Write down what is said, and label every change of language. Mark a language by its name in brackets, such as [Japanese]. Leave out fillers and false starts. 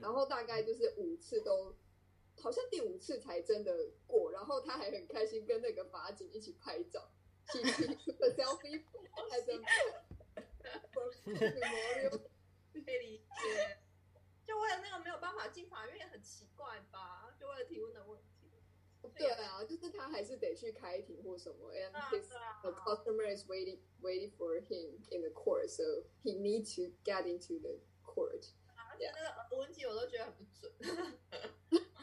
[Chinese] 然后大概就是五次都，好像第五次才真的过，然后他还很开心跟那个法警一起拍照 ， [English] he took a selfie at the memorial。 [Chinese] 可以理解。就为了那个没有办法进法院也很奇怪吧，就为了提问的问题。对啊，就是他还是得去开庭或什么 [English] and his、啊、 customer is waiting for him in the court so he need to get into the court、 [Chinese] 啊、而且那个问题我都觉得很不准